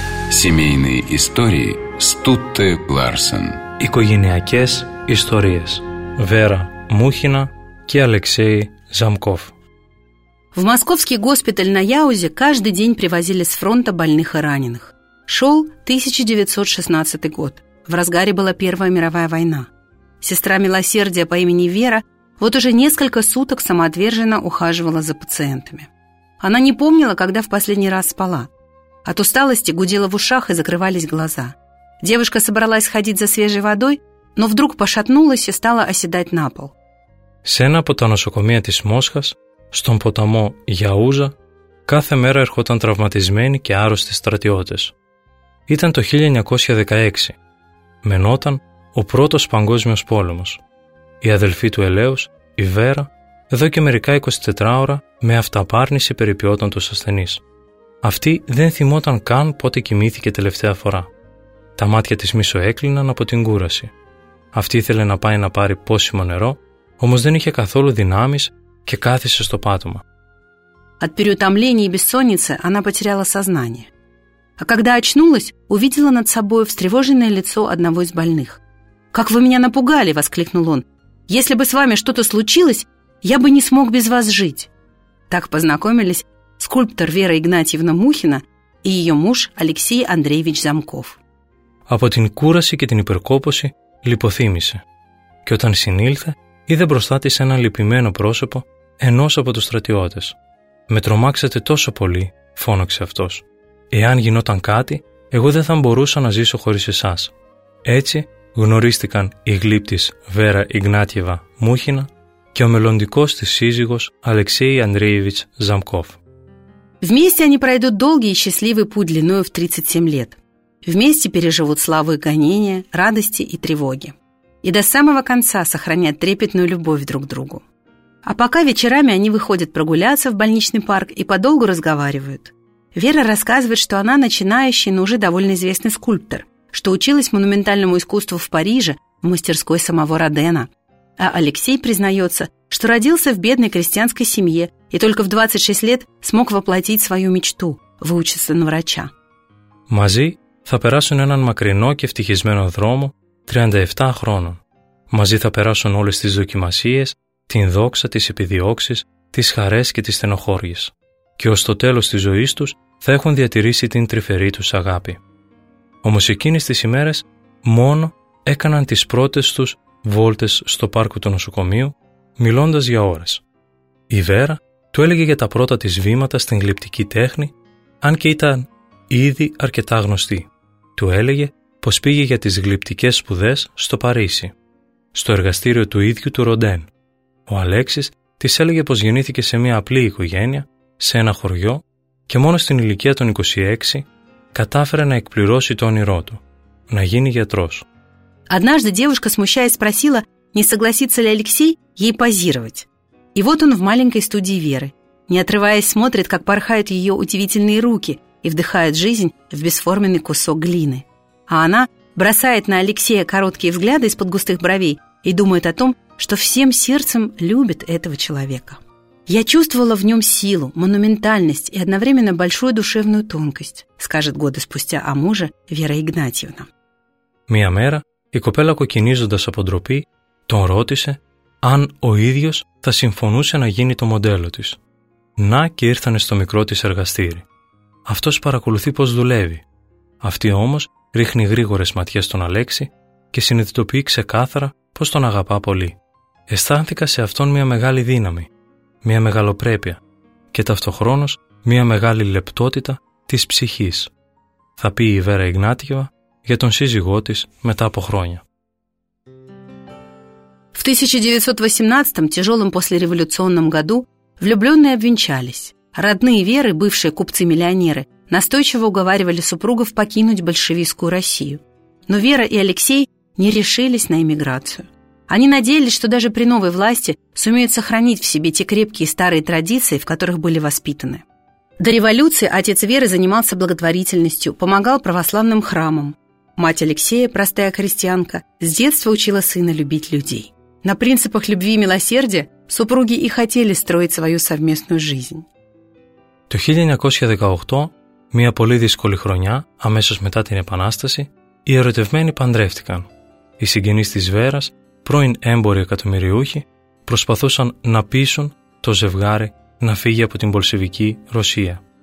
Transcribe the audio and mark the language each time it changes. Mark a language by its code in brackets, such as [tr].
[ru] Семейные истории Стутте Ларсен. [el] Οικογενειακές ιστορίες. [ru] Вера Мухина [el] και [ru] Алексей Замков. В московский госпиталь на Яузе каждый день привозили с фронта больных и раненых. Шел 1916 год. В разгаре была Первая мировая война. Сестра милосердия по имени Вера вот уже несколько суток самоотверженно ухаживала за пациентами. Она не помнила, когда в последний раз спала. От усталости гудела в ушах и закрывались глаза. Девушка собралась ходить за свежей водой, но вдруг пошатнулась и стала оседать на пол. [el] Σε ένα από τα νοσοκομεία της Μόσχας, στον ποταμό Γιαούζα, κάθε μέρα ερχόταν τραυματισμένοι και άρρωστοι στρατιώτες. Ήταν το 1916. Μενόταν ο πρώτος παγκόσμιος πόλεμος. Η αδελφή του Ελέους, η Βέρα, εδώ και μερικά 24 ώρα με αυταπάρνηση περιποιόταν τους ασθενείς. Αυτή δεν θυμόταν καν πότε κοιμήθηκε τελευταία φορά. Τα μάτια της μισοέκλειναν από την κούραση. Αυτή ήθελε να πάει να πάρει πόσιμο νερό, όμως δεν είχε καθόλου δυνάμεις και κάθισε στο πάτωμα. [ru] От переутомления и бессонницы она потеряла сознание. А когда очнулась, увидела над собой встревоженное лицо одного из больных. «Как вы меня напугали!» – воскликнул он. «Если бы с вами что-то случилось, я бы не смог без вас жить!» Так познакомились скульптор Вера Игнатьевна Мухина и ее муж Алексей Андреевич Замков. [el] Από την κούραση και την υπερκόπωση λιποθύμησε. Και όταν συνήλθε, είδε μπροστά της ένα λυπημένο πρόσωπο ενός από τους στρατιώτες. «Με τρομάξατε τόσο πολύ», φώναξε αυτός. «Εάν γινόταν κάτι, εγώ δεν θα μπορούσα να ζήσω χωρίς εσάς». Έτσι γνωρίστηκαν η γλύπτης Βέρα Ιγνάτιεβα Μούχινα και ο μελλοντικός της σύζυγος Αλεξέη Ανδρέιβιτς Ζαμκόφ. [ru] Вместе они пройдут долгий и счастливый путь длиною в 37 лет. Вместе переживут славу и гонения, радости и тревоги. И до самого конца сохранят трепетную любовь друг к другу. А пока вечерами они выходят прогуляться в больничный парк и подолгу разговаривают. Вера рассказывает, что она начинающий, но уже довольно известный скульптор, что училась монументальному искусству в Париже, в мастерской самого Родена. А Алексей признается, что родился в бедной крестьянской семье и только в 26 лет смог воплотить свою мечту – выучиться на врача. [el] Мази θα περάσουν έναν μακρινό και ευτυχισμένο δρόμο 37 χρόνων. Μαζί θα περάσουν όλες τις δοκιμασίες, την δόξα, τις επιδιώξεις, τις χαρές και τις στενοχώριες. Και ως το τέλος της ζωής τους θα έχουν διατηρήσει την τρυφερή τους αγάπη. Όμως εκείνες τις ημέρες μόνο έκαναν τις πρώτες τους βόλτες στο πάρκο του νοσοκομείου, μιλώντας για ώρες. Η Βέρα του έλεγε για τα πρώτα της βήματα στην γλυπτική τέχνη, αν και ήταν ήδη αρκετά γνωστή. Του έλεγε πως πήγε για τις γλυπτικές σπουδές στο Παρίσι, στο εργαστήριο του ίδιου του Ροντέν. Ο Αλέξης της έλεγε πως γεννήθηκε σε μια απλή οικογένεια, σε ένα χωριό και μόνο στην ηλικία των 26 κατάφερε να εκπληρώσει το όνειρό του, να γίνει γιατρός. [ru] Однажды девушка, смущаясь, спросила, не согласится ли Алексей ей позировать. И вот он в маленькой студии Веры, не отрываясь, смотрит, как порхают ее удивительные руки и вдыхают жизнь в бесформенный кусок глины. А она бросает на Алексея короткие взгляды из-под густых бровей и думает о том, что всем сердцем любит этого человека. «Я чувствовала в нем силу, монументальность и одновременно большую душевную тонкость», скажет годы спустя о муже Вера Игнатьевна. [el] Мия мэра, и копела, кокинизодас από ντροπή, тон ρώτησε, αν ο ίδιος θα συμφωνούσε να γίνει το μοντέλο της. Να και ήρθανε στο μικρό της εργαστήρι. Αυτός παρακολουθεί πως δουλεύει. Αυτή όμως ρίχνει γρήγορες ματιές στον Αλέξη και συνειδητοποιεί ξεκάθαρα πως τον αγαπά πολύ. Αισθάνθηκα σε αυτόν μια μεγάλη δύναμη, μια μεγαλοπρέπεια και ταυτοχρόνως μια μεγάλη λεπτότητα της ψυχής. Θα πει η Βέρα Ιγνάτιεβα για τον σύζυγό της μετά από χρόνια. [ru] В 1918, тяжелом послереволюционном году, влюбленные обвенчались. Родные Веры, бывшие купцы-миллионеры, настойчиво уговаривали супругов покинуть большевистскую Россию. Но Вера и Алексей не решились на эмиграцию. Они надеялись, что даже при новой власти сумеют сохранить в себе те крепкие старые традиции, в которых были воспитаны. До революции отец Веры занимался благотворительностью, помогал православным храмам. Мать Алексея, простая крестьянка, с детства учила сына любить людей. На принципах любви и милосердия супруги и хотели строить свою совместную жизнь. [el] Το 1918, μια πολύ δύσκολη χρονιά, αμέσως μετά την Επανάσταση, οι ερωτευμένοι παντρεύτηκαν. Οι συγγενείς της Βέρας, πρώην έμποροι εκατομμυριούχοι, προσπαθούσαν να πείσουν το ζευγάρι να φύγει από την Μπολσεβική Ρωσία.